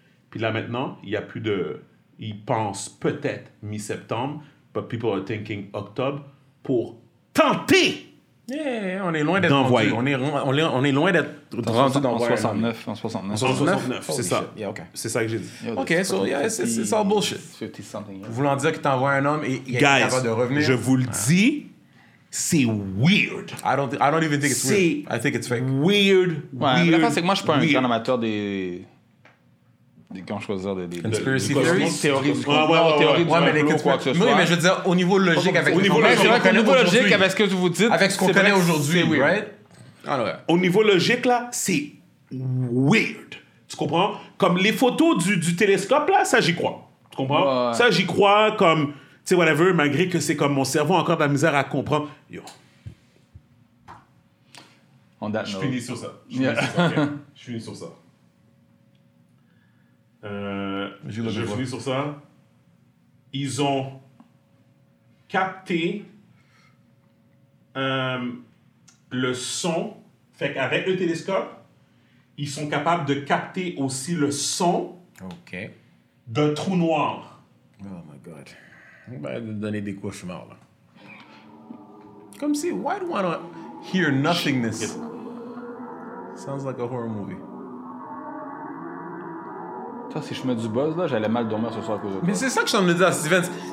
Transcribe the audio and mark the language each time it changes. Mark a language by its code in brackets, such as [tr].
[fr] Puis là, maintenant, il y a plus de... Ils pensent peut-être mi-septembre, [en] but people are thinking [fr] octobre, pour tenter... Yeah, on est loin d'être d'envoyer. On est loin d'être rendu dans 69. C'est ça. [en] Yeah, okay. [fr] C'est ça que j'ai dit. [en] Yo, OK, so yeah, c'est all bullshit. [fr] Voulant dire que tu envoies un homme et il est capable de revenir. Je vous le dis, c'est weird. [en] I don't even think it's weird. I think it's fake. Weird. [fr] Ouais, mais la fin, c'est que moi, je suis pas un grand amateur des [en] conspiracy theories, [fr] théories, mais je veux dire au niveau logique avec ce que vous dites, avec ce qu'on connaît aujourd'hui, c'est weird. Right? Alors, au niveau logique là, c'est weird. Tu comprends? Comme les photos du télescope là, ça j'y crois. Tu comprends? Ouais. Ça j'y crois comme tu sais whatever, malgré que c'est comme mon cerveau a encore de la misère à comprendre. Yo. Je finis sur ça. Je finis sur ça. Ils ont capté le son. Fait qu'avec le télescope, ils sont capables de capter aussi le son d'un trou noir. [en] Oh my God. [fr] On va donner des cauchemars là. Comme si, [en] why do I not hear nothingness? Sounds like a horror movie. [fr] Ça, si je mets du buzz, là, j'allais mal dormir ce soir à cause de toi. Mais c'est ça que je t'en ai dit à Stevens.